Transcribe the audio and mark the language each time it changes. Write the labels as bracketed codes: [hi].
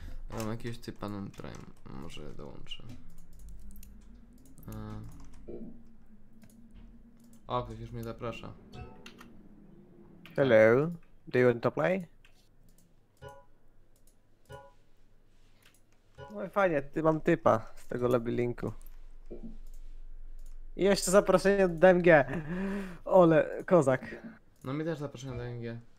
[pl] Mam jakiegoś typa na prime, może dołączę. O, ktoś już mnie zaprasza. [en] Hello, do you want to play? [pl] No i fajnie, ty mam typa z tego lobby linku. I jeszcze zaproszenie do DMG. Ole, kozak. No mi też zaproszenie do DMG.